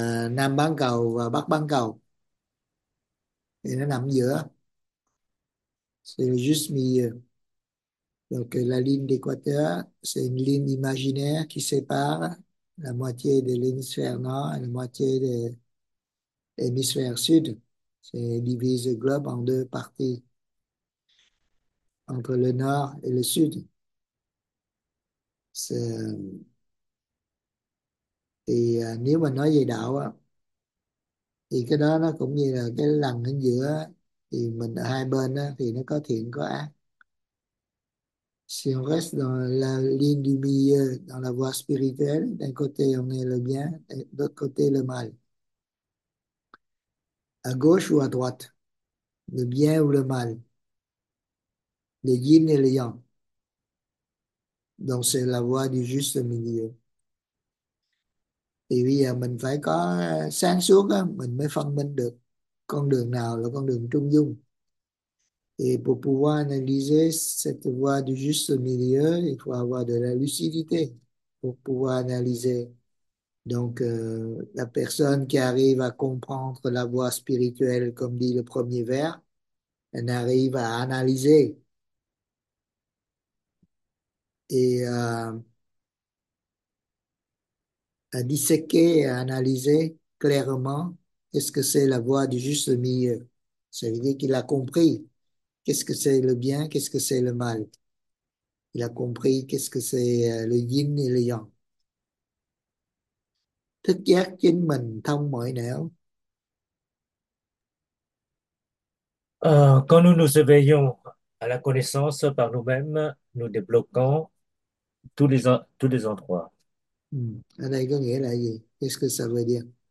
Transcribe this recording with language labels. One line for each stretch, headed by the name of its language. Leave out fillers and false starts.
Vietnamese: nam bán cầu và bắc bán cầu, thì nó nằm giữa,
French: c'est juste milieu, donc la ligne d'équateur c'est une ligne imaginaire qui sépare la moitié de l'hémisphère nord et la moitié de l'hémisphère sud, c'est divise le globe en deux parties entre le nord et le sud.
Vietnamese: Thì nếu mà nói về đạo á, thì cái đó nó cũng như là cái lằn ở giữa á, thì mình ở hai bên á, thì nó có thiện có ác.
French: Si on reste dans la ligne du milieu, dans la voie spirituelle, d'un côté on est le bien, d'autre côté le mal. À gauche ou à droite, le bien ou le mal, le yin et le yang. Donc c'est la voie du juste milieu.
Vietnamese: Thì bây giờ mình phải có sáng suốt á, mình mới phân minh được con đường nào là con đường trung dung.
French: Et pour pouvoir analyser cette voie du juste milieu, il faut avoir de la lucidité pour pouvoir analyser. Donc la personne qui arrive à comprendre la voie spirituelle, comme dit le premier vers, elle arrive à analyser. Et à disséquer, à analyser clairement qu'est-ce que c'est la voie du juste milieu. Ça veut dire qu'il a compris qu'est-ce que c'est le bien, qu'est-ce que c'est le mal. Il a compris qu'est-ce que c'est le yin et le yang.
Vietnamese: Thức giác chính mình thông mọi nẻo.
French: Quand nous nous éveillons à la connaissance par nous-mêmes, nous débloquons tous les endroits.
Vietnamese: Ở đây có nghĩa là gì?
French: Qu'est-ce que ça veut dire?